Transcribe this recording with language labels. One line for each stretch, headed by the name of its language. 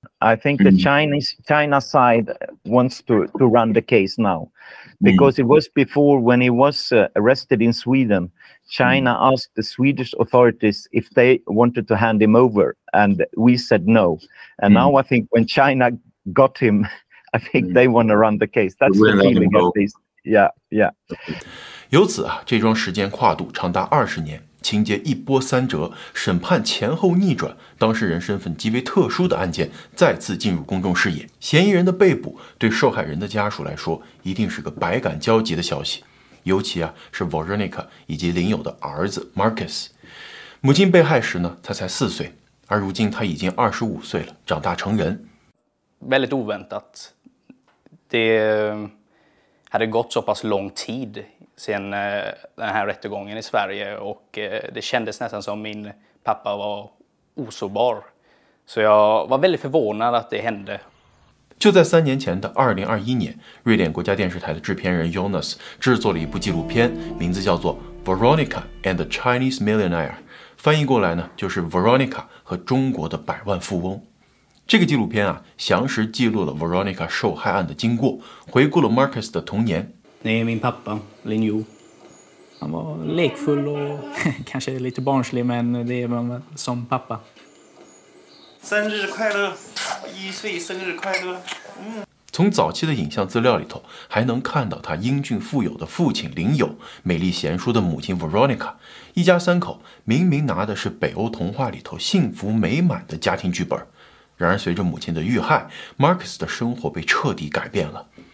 English: I think the China side wants to run the case now, because it was before when he was arrested in Sweden, China asked the Swedish authorities if they wanted to hand him over, and we said no. And now I think when China got him, I think they want to run the case. That's the feeling at least. Yeah, yeah.
Chinese: 由此啊，这桩时间跨度长达20年，情节一波三折，审判前后逆转，当事人身份极为特殊的案件再次进入公众视野。嫌疑人的被捕对受害人的家属来说一定是个百感交集的消息，尤其啊是 Veronica 以及邻友的儿子 Marcus。母亲被害时呢他才4岁，而如今他已经25岁了，长大成人。
Swedish: Väldigt oväntat. Det hade gått så pass lång tid sen den här rättegången i Sverige, och det kändes nästan som min pappa var osårbar. Så jag var väldigt förvånad att det hände.
Chinese: 就在3年前的2021年，瑞典国家电视台的制片人 Jonas 制作了一部纪录片，名字叫做 Veronica and the Chinese Millionaire， 翻译过来呢就是 Veronica 和中国的百万富翁。这个纪录片啊，详实记录了 Veronica 受害案的经过，回顾了 Marcus 的童年。
Swedish: Det är min pappa, Linjo. Han var lekfull och kanske lite barnslig, men det är man som pappa.
Chinese: 生日快乐，1岁生日快乐。从早期的影像资料里头，还能看到他英俊富有的父亲林友，美丽贤淑的母亲 Veronica， 一家三口明明拿的是北欧童话里头幸福美满的家庭剧本。然而随着母亲的遇害， Marcus 的生活被彻底改变了。